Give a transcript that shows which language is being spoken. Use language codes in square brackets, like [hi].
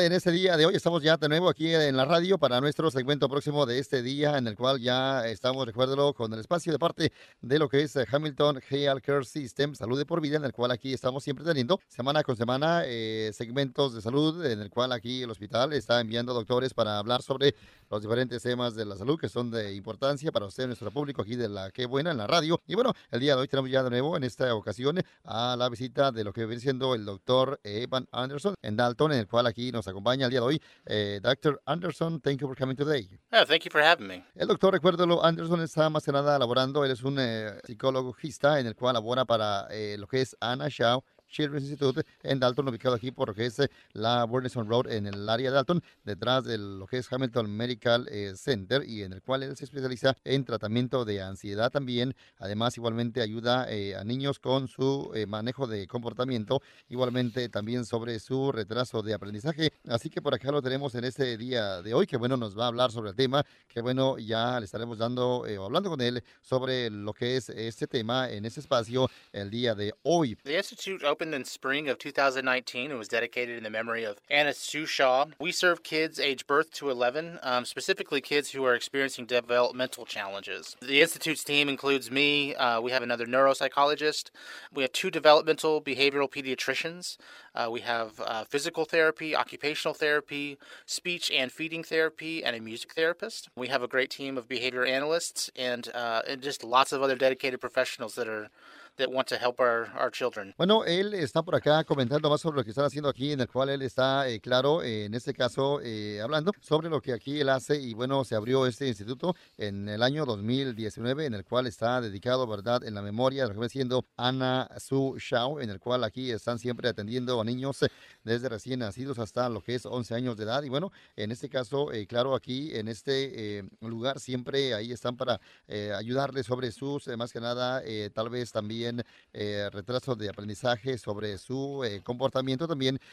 [es] En este día de hoy estamos ya de nuevo aquí en la radio para nuestro segmento próximo de este día, en el cual ya estamos, recuérdelo, con el espacio de parte de lo que es Hamilton Healthcare System, Salud de por Vida, en el cual aquí estamos siempre teniendo semana con semana segmentos de salud, en el cual aquí el hospital está enviando doctores para hablar sobre los diferentes temas de la salud que son de importancia para usted, nuestro público aquí de la Qué Buena en la radio. Y bueno, el día de hoy tenemos ya de nuevo en esta ocasión a la visita de lo que viene siendo el doctor Evan Anderson en Dalton, en el cual aquí nos acompaña el día de hoy. [en] Dr. Anderson, thank you for coming today. Oh, thank you for having me. [es] El doctor, recuérdelo, Anderson está más que nada laborando. Él es un psicologista en el cual labora para lo que es Anna Shaw Children's Institute en Dalton, ubicado aquí por lo que es la Burnison Road en el área de Dalton, detrás de lo que es Hamilton Medical Center, y en el cual él se especializa en tratamiento de ansiedad también. Además, igualmente ayuda a niños con su manejo de comportamiento, igualmente también sobre su retraso de aprendizaje. Así que por acá lo tenemos en este día de hoy, que bueno, nos va a hablar sobre el tema, que bueno, ya le estaremos dando o hablando con él sobre lo que es este tema en este espacio el día de hoy. [en] Opened in spring of 2019 and was dedicated in the memory of Anna Sue Shaw. We serve kids age birth to 11, specifically kids who are experiencing developmental challenges. The Institute's team includes me, we have another neuropsychologist, we have two developmental behavioral pediatricians, we have physical therapy, occupational therapy, speech and feeding therapy, and a music therapist. We have a great team of behavior analysts and just lots of other dedicated professionals that want to help our children. [es] Bueno, él está por acá comentando más sobre lo que están haciendo aquí, en el cual él está, claro, en este caso, hablando sobre lo que aquí él hace. Y bueno, se abrió este instituto en el año 2019, en el cual está dedicado, ¿verdad?, en la memoria de lo que viene siendo Anna Sue Shaw, en el cual aquí están siempre atendiendo a niños desde recién nacidos hasta lo que es 11 años de edad. Y bueno, en este caso, claro, aquí en este lugar siempre ahí están para ayudarle sobre sus, más que nada, tal vez también retraso de aprendizaje, sobre su comportamiento también.